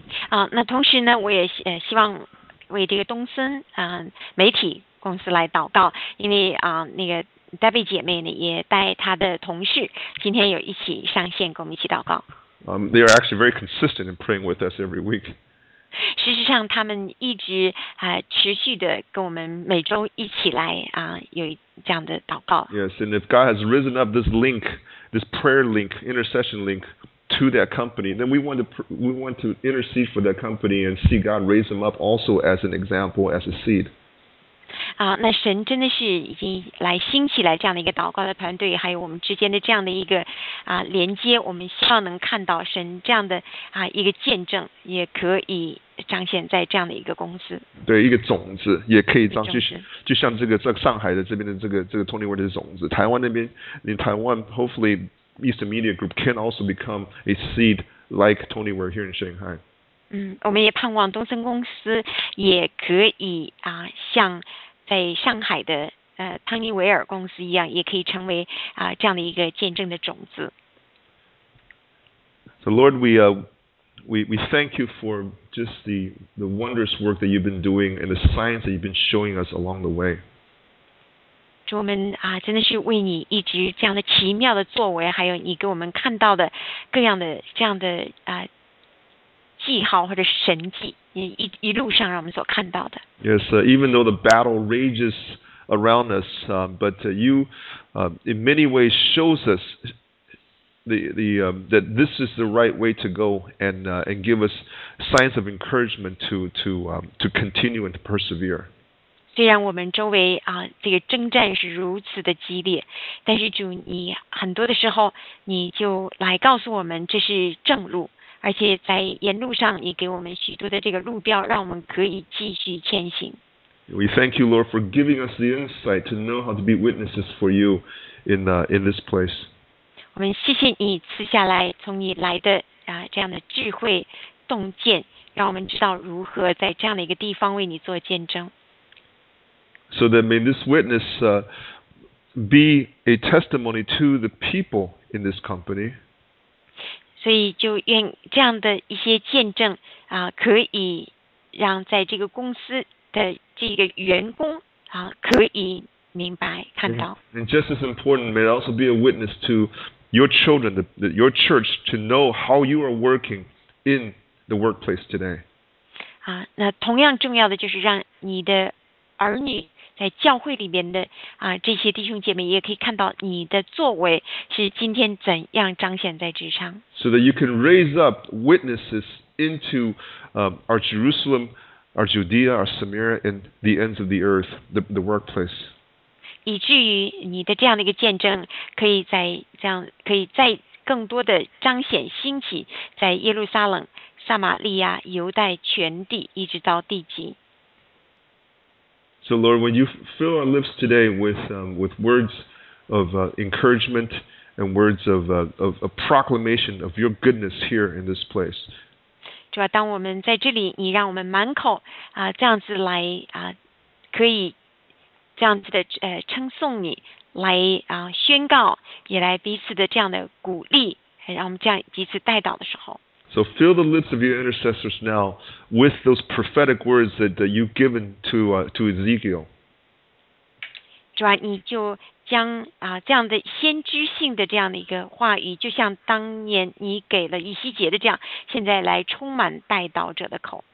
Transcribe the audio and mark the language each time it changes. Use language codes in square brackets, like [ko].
[zh] 那同时呢，我也希望为这个东森媒体公司来祷告，因为那个 Debbie 姐妹呢也带她的同事今天有一起上线，跟我们一起祷告。 [en] They are actually very consistent in praying with us every week. [zh] 事实上，他们一直持续的跟我们每周一起来有这样的祷告。 [en] Yes, and if God has risen up this link, this prayer link, intercession link to that company, then we want to intercede for that company and see God raise them up also as an example, as a seed. [zh] 那神真的是已经来兴起来这样的一个祷告的团队，还有我们之间的这样的一个连接，我们希望能看到神这样的一个见证也可以彰显在这样的一个公司，对，一个种子也可以彰显，就像这个上海的这边的这个 Tony Ware 的种子，台湾那边 [en] in Taiwan, hopefully Eastern Media Group can also become a seed like Tony Ware here in Shanghai. [zh] 我们也盼望东森公司也可以像在上海的汤尼维尔公司一样，也可以成为这样的一个见证的种子。 [en] So Lord, we thank you for just the wondrous work that you've been doing and the signs that you've been showing us along the way. [zh] 主，我们真的是为你一直这样的奇妙的作为，还有你给我们看到的各样的这样的记号或者神迹。一路上让我们所看到的。 [en] Yes, even though the battle rages around us, but you, in many ways, shows us that this is the right way to go, and give us signs of encouragement to continue and to persevere. [zh] 虽然我们周围这个征战是如此的激烈，但是主，你很多的时候你就来告诉我们这是正路。而且在沿路上，你给我们许多的这个路标，让我们可以继续前行。 [en] We thank you, Lord, for giving us the insight to know how to be witnesses for you in this place. [zh] 我们谢谢你赐下来从你来的这样的智慧洞见，让我们知道如何在这样的一个地方为你做见证。 [en] So that may this witness be a testimony to the people in this company. [zh] 所以就愿这样的一些见证可以让在这个公司的这个员工可以明白看到。 [en] And just as important, may it also be a witness to your children, your church, to know how you are working in the workplace today. [zh] 那同样重要的就是让你的儿女在教会里面的这些弟兄姐妹也可以看到你的作为是今天怎样彰显在职场。 [en] So that you can raise up witnesses into our Jerusalem, our Judea, our Samaria, and the ends of the earth, the workplace. [zh] 以至于你的这样的一个见证可以在这样可以在更多的彰显兴起在耶路撒冷、撒玛利亚、犹太全地一直到地极。 [en] So Lord, when you fill our lips today with words of encouragement and words of a proclamation of your goodness here in this place. [zh] 主啊，当我们在这里，你让我们满口这样子来可以这样子的称颂你，来宣告，也来彼此的这样的鼓励，让我们这样彼此带到的时候。 [en] So fill the lips of your intercessors now with those prophetic words that you've given to Ezekiel. [zh] 主啊，你就将这样的先知性的这样的一个话语，就像当年你给了以西结的这样，现在来充满带到者的口。